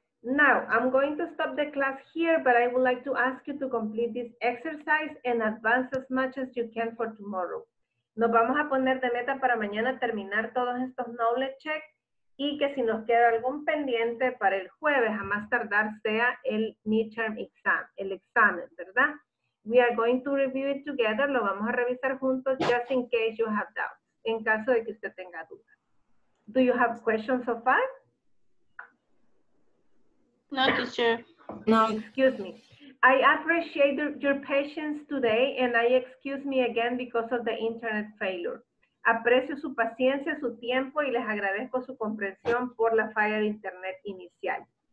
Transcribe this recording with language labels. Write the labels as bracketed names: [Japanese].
[English] Now, I'm going to stop the class here, but I would like to ask you to complete this exercise and advance as much as you can for tomorrow. [Spanish] Nos vamos a poner de meta para mañana terminar todos estos knowledge checks y que si nos queda algún pendiente para el jueves, a más tardar, sea el midterm exam, el examen, ¿verdad? [English] We are going to review it together. [Spanish] Lo vamos a revisar juntos [English] just in case you have doubts, [Spanish] en caso de que usted tenga dudas. [English] Do you have questions so far? No, teacher. No. Excuse me. I appreciate your patience today and I excuse me again because of the internet failure. [Spanish] Aprecio su paciencia, su tiempo y les agradezco su comprensión por la falla de internet inicial.